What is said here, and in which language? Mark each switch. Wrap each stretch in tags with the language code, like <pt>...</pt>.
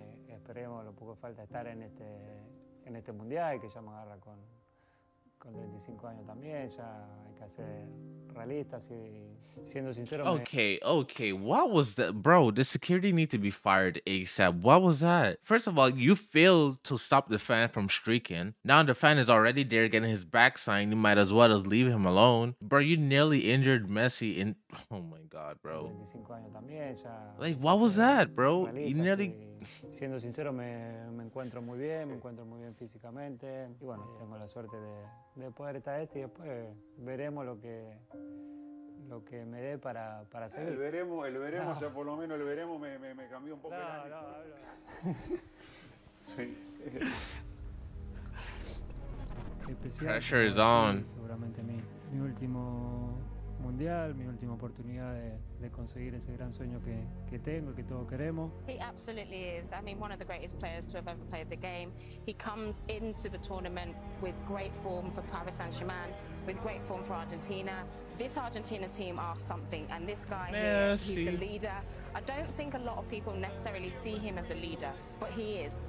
<es>Esperemos lo poco falta estar en este mundial que ya me agarra con 35 años también. Ya hay que ser realistas y siendo sincero.</es> <en>Okay, okay. What was that? Bro, the security need to be fired ASAP. What was that? First of all, you failed to stop the fan from streaking. Now the fan is already there getting his back signed. You might as well just leave him alone. Bro, you nearly injured Messi in... Oh my God, bro. Like, what was that, bro? You nearly...</en> <es>Siendo sincero, me encuentro muy bien, me encuentro muy bien físicamente. Y bueno, tengo la suerte de poder estar y después veremos lo que me dé para seguir. El veremos, ya por lo menos el veremos me cambió un poco el ánimo.</es> <en>Pressure is on.</en> <es>Seguramente mi último mundial, mi última oportunidad de conseguir ese gran sueño que tengo, que todos queremos.</es> <en>He absolutely is. I mean, one of the greatest players to have ever played the game. He comes into the tournament with great form for Paris Saint-Germain, with great form for Argentina. This Argentina team are something, and this guy here, he's the leader. I don't think a lot of people necessarily see him as a leader, but he is.</en>